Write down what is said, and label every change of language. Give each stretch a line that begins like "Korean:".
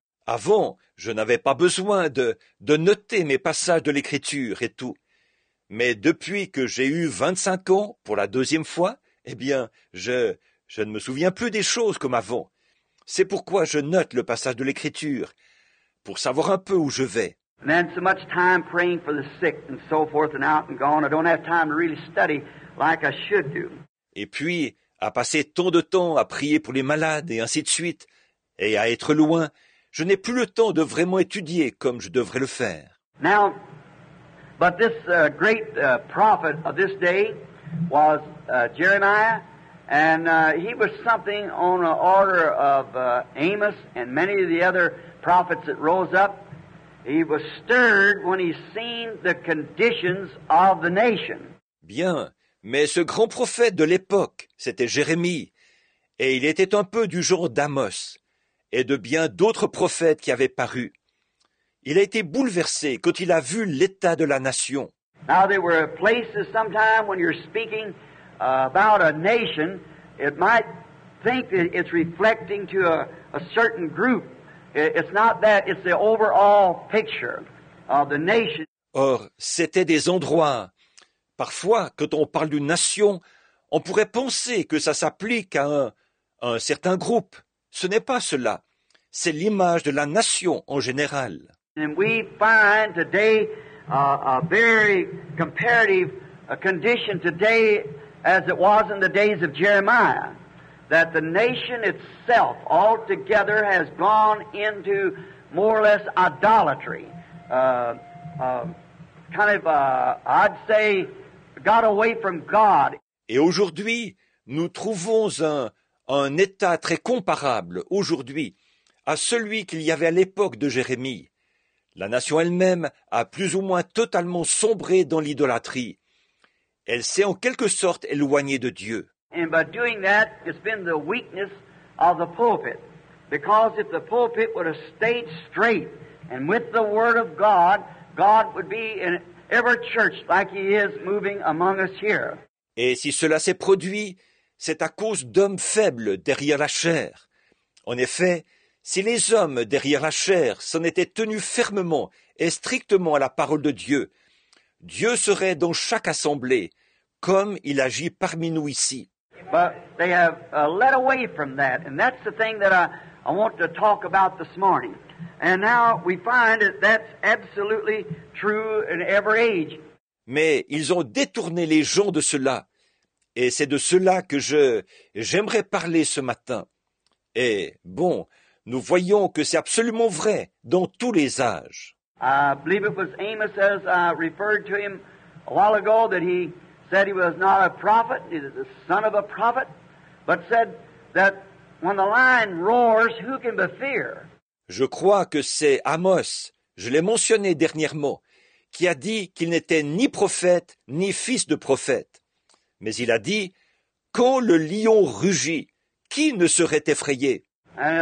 French: Avant, je n'avais pas besoin de noter mes passages de l'Écriture et tout. Mais depuis que j'ai eu 25 ans pour la deuxième fois, eh bien, je ne me souviens plus des choses comme avant. C'est pourquoi je note le passage de l'Écriture, pour savoir un peu où je vais.
English: Man, so much time praying for the sick and so forth and out and gone. I don't have time to really study like I should do.
French: Et puis, à passer tant de temps à prier pour les malades et ainsi de suite, et à être loin, je n'ai plus le temps de vraiment étudier comme je devrais le faire.
English: Now, but this great prophet of this day was Jeremiah, and he was something on the order of Amos and many of the other prophets that rose up. He was stirred when he seen the conditions of the nation.
French: Bien, mais ce grand prophète de l'époque, c'était Jérémie, et il était un peu du genre d'Amos et de bien d'autres prophètes qui avaient paru. Il a été bouleversé quand il a vu l'état de la nation.
English: Now there were places sometimes when you're speaking about a nation, it might think that it's reflecting to a certain group. It's not that, it's the overall picture of the nation.
French: Or, c'était des endroits. Parfois, quand on parle d'une nation, on pourrait penser que ça s'applique à un certain groupe. Ce n'est pas cela. C'est l'image de la nation en général.
English: And we find today a very comparative condition today as it was in the days of Jeremiah, that the nation itself altogether has gone into more or less idolatry, kind of, I'd say, got away from God.
French: Et aujourd'hui, nous trouvons un état très comparable aujourd'hui à celui qu'il y avait à l'époque de Jérémie. La nation elle-même a plus ou moins totalement sombré dans l'idolâtrie. Elle s'est en quelque sorte éloignée de Dieu.
English: And by doing that, it's been the weakness of the pulpit. Because if the pulpit would have stayed straight and with the word of God, God would be in every church like he is moving among us here.
French: Et si cela s'est produit, c'est à cause d'hommes faibles derrière la chair. En effet, si les hommes derrière la chair s'en étaient tenus fermement et strictement à la parole de Dieu, Dieu serait dans chaque assemblée, comme il agit parmi nous ici.
English: But they have led away from that, and that's the thing that I want to talk about this morning. And now we find that that's absolutely true in every age.
French: Mais ils ont détourné les gens de cela. Et c'est de cela que j'aimerais parler ce matin. Et bon, nous voyons que c'est absolument vrai dans tous les âges.
English: I believe it was Amos, as I referred to him a while ago, that he said he was not a prophet, he was the son of a prophet, but said that when the lion roars, who can be fear?
French: Je crois que c'est Amos, je l'ai mentionné dernièrement, qui a dit qu'il n'était ni prophète, ni fils de prophète. Mais il a dit, « Quand le lion rugit, qui ne serait effrayé ?»